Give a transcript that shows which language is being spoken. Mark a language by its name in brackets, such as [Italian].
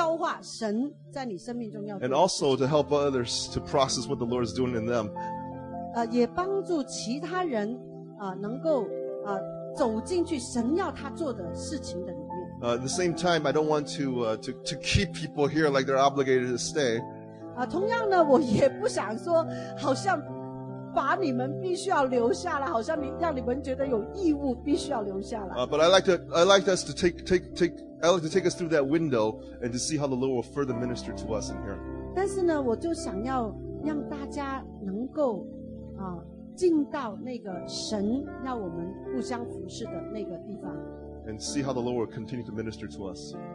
[Chinese] 这个呢就会帮助你能够进消化神在你生命中要做的事情。 [English] And also to help others to process what the Lord is doing in them. [Chinese] 也帮助其他人, 能够, 走进去神要他做的事情的里面。 [English] At the same time, I don't want to keep people here like they're obligated to stay. [Chinese] 同样呢, 我也不想说, 好像, 把你们必须要留下来，好像你让你们觉得有义务必须要留下来。 [English] But I like to take us through that window and to see how the Lord will further minister to us in here. [Chinese] 但是呢，我就想要让大家能够 进到那个神要我们互相服侍的那个地方。 [English] And see how the Lord will continue to minister to us.